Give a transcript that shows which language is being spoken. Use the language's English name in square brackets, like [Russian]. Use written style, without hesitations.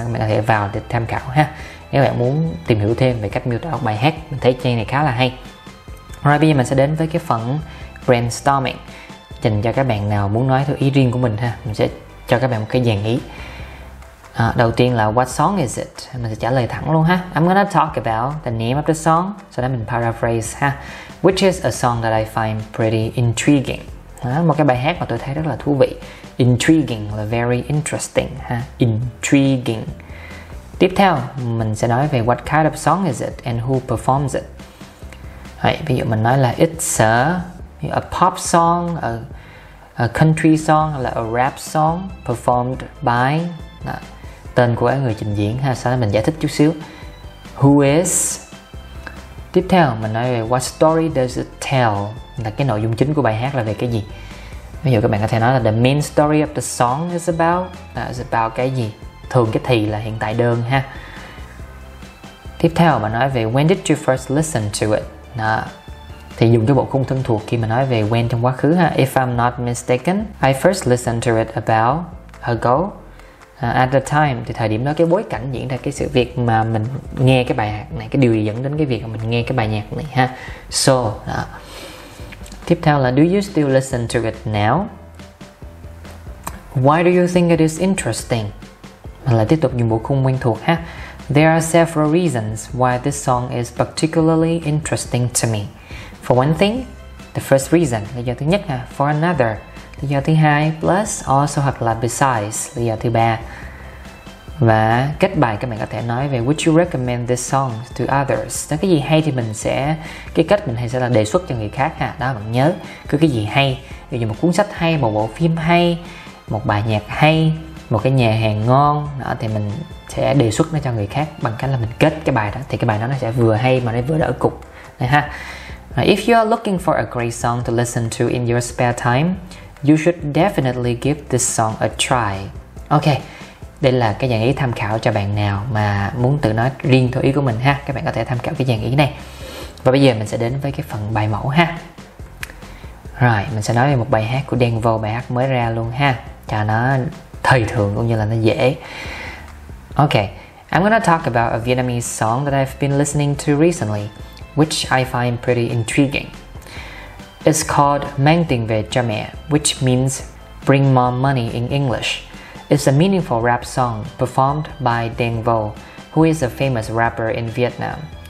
[Vietnamese] Các bạn có thể vào để tham khảo ha. Nếu bạn muốn tìm hiểu thêm về cách miêu tả một bài hát, mình thấy trang này khá là hay. Rồi, bây giờ mình sẽ đến với cái phần brainstorming. Dành cho các bạn nào muốn nói theo ý riêng của mình ha, mình sẽ cho các bạn một cái dàn ý. Đầu tiên là what song is it? Mình sẽ trả lời thẳng luôn ha. [English] I'm gonna talk about the name of the song. [Vietnamese] Sau đó mình paraphrase ha. [English] Which is a song that I find pretty intriguing. [Vietnamese] Một cái bài hát mà tôi thấy rất là thú vị. [English] Intriguing là very interesting ha. Intriguing. [Vietnamese] Tiếp theo mình sẽ nói về [English] what kind of song is it and who performs it. [Vietnamese] Đấy, ví dụ mình nói là [English] it's a pop song, a country song, là a rap song performed by. [Vietnamese] Đó, tên của người trình diễn ha. Sau đó mình giải thích chút xíu. [English] Who is. [Vietnamese] Tiếp theo mình nói về [English] what story does it tell, [Vietnamese] là cái nội dung chính của bài hát là về cái gì. Ví dụ các bạn có thể nói là [English] the main story of the song is about. [Vietnamese] Đó, is about cái gì. Thường cái thì là hiện tại đơn ha. Tiếp theo mình nói về [English] when did you first listen to it. [Vietnamese] Đó, thì dùng cái bộ khung thân thuộc khi mà nói về when trong quá khứ ha. [English] If I'm not mistaken, I first listened to it about ago. At the time, [Vietnamese] thì thời điểm đó cái bối cảnh diễn ra cái sự việc mà mình nghe cái bài hát này, cái điều dẫn đến cái việc mà mình nghe cái bài nhạc này ha. So, đó. Tiếp theo là [English] do you still listen to it now? Why do you think it is interesting? [Vietnamese] Mình lại tiếp tục dùng bộ khung quen thuộc ha. [English] There are several reasons why this song is particularly interesting to me. For one thing, the first reason, [Vietnamese] lý do thứ nhất ha. [English] For another, [Vietnamese] lý do thứ hai, [English] plus, also, [Vietnamese] hoặc là [English] besides, [Vietnamese] lý do thứ ba. Và kết bài các bạn có thể nói về [English] would you recommend this song to others. [Vietnamese] Đó, cái gì hay thì mình sẽ, cái cách mình hay sẽ là đề xuất cho người khác ha. Đó, bạn nhớ, cứ cái gì hay, ví dụ một cuốn sách hay, một bộ phim hay, một bài nhạc hay, một cái nhà hàng ngon đó, thì mình sẽ đề xuất nó cho người khác bằng cách là mình kết cái bài đó. Thì cái bài đó nó sẽ vừa hay mà nó vừa đỡ cục đấy ha. [English] If you are looking for a great song to listen to in your spare time, you should definitely give this song a try. Ok, [Vietnamese] Đây là cái dàn ý tham khảo cho bạn nào mà muốn tự nói riêng theo ý của mình ha. Các bạn có thể tham khảo cái dàn ý này. Và bây giờ mình sẽ đến với cái phần bài mẫu ha. Rồi, mình sẽ nói về một bài hát của Đen Vô, bài hát mới ra luôn ha, cho nó thời thượng cũng như là nó dễ. [English] Ok, I'm gonna talk about a Vietnamese song that I've been listening to recently, which I find pretty intriguing. It's called Mang Tiền Về Cho Mẹ, which means Bring More Money in English. It's a meaningful rap song performed by Đen Vô, who is a famous rapper in Vietnam.